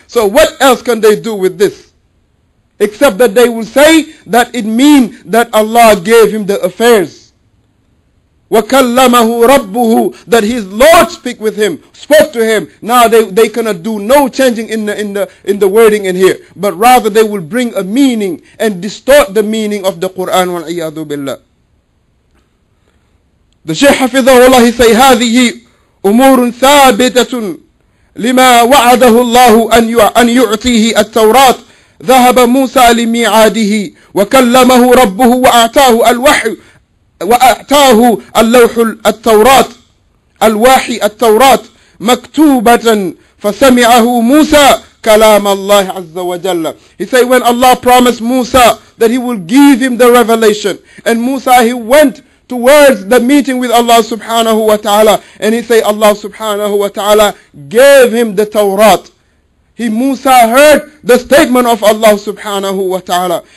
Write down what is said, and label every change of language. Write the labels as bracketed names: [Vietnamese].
[English] So what else can they do with this? Except that they will say that it means that Allah gave him the affairs. [Arabic] وَكَلَّمَهُ رَبُّهُ, [English] that his Lord speak with him, spoke to him. Now they cannot do no changing in the wording in here. But rather they will bring a meaning and distort the meaning of the Qur'an. [Arabic] وَالْعِيَاذُ بِاللَّهِ. [English] The Shaykh [Arabic] حفظه الله say, هذه أمور ثابتة لما وعده الله أن يعطيه التوراة. ذهب موسى لميعاده وكلمه ربه وأعطاه الوحي وأعطاه اللوح التوراة الواحي التوراة مكتوبة فسمعه موسى كلام الله عز وجل. [English] He said when Allah promised Musa that he will give him the revelation, and Musa he went towards the meeting with Allah subhanahu wa ta'ala, and he said Allah subhanahu wa ta'ala gave him the Tawrat. He, Musa, heard the statement of Allah subhanahu wa ta'ala.